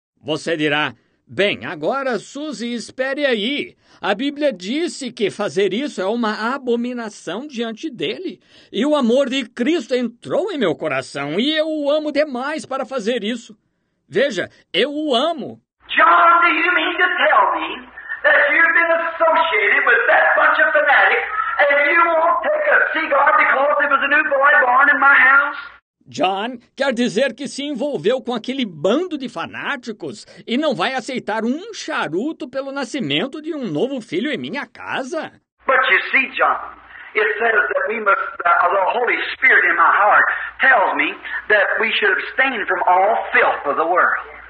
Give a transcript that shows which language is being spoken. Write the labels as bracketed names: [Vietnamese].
[Portuguese] Você dirá, bem, agora, Suzy, espere aí. A Bíblia disse que fazer isso é uma abominação diante dele. E o amor de Cristo entrou em meu coração e eu o amo demais para fazer isso. Veja, eu o amo. [English] John, do you mean to tell me that you've been associated with that bunch of fanatics and you won't take a cigar because there was a new boy born in my house? [Portuguese] John, quer dizer que se envolveu com aquele bando de fanáticos e não vai aceitar um charuto pelo nascimento de um novo filho em minha casa? [English] But you see, John, it says that we must, the Holy Spirit in my heart tells me that we should abstain from all filth of the world.